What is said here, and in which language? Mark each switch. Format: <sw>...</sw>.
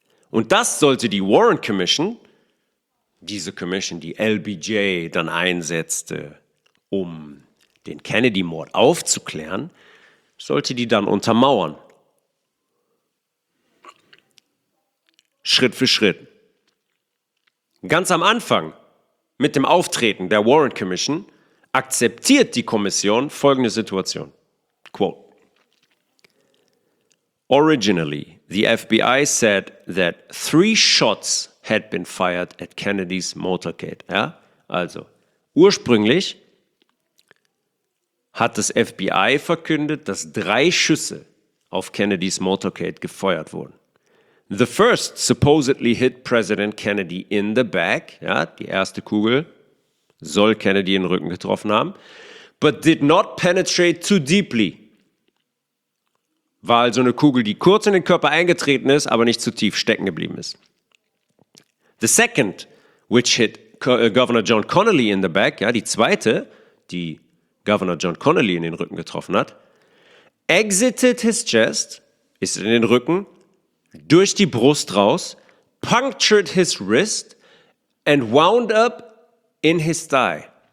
<de>Und das sollte die Warren Commission, diese Commission, die LBJ dann einsetzte, um den Kennedy-Mord aufzuklären, sollte die dann untermauern. Schritt für Schritt. Ganz am Anfang, mit dem Auftreten der Warren Commission, akzeptiert die Kommission folgende Situation. Quote.</de> <en>Originally, the FBI said that 3 shots had been fired at Kennedy's motorcade.</en> <de>Ja? Also, ursprünglich hat das FBI verkündet, dass 3 Schüsse auf Kennedy's motorcade gefeuert wurden.</de> <en>The first supposedly hit President Kennedy in the back,</en> <de>ja, die erste Kugel soll Kennedy in den Rücken getroffen haben,</de> <en>but did not penetrate too deeply.</en> <de>War also eine Kugel, die kurz in den Körper eingetreten ist, aber nicht zu tief stecken geblieben ist.</de> <en>The second, which hit Governor John Connally in the back,</en> <de>ja, die zweite, die Governor John Connally in den Rücken getroffen hat,</de> <en>exited his chest,</en> <de>ist in den Rücken, durch die Brust raus,</de> <en>punctured his wrist and wound up in his thigh.</en>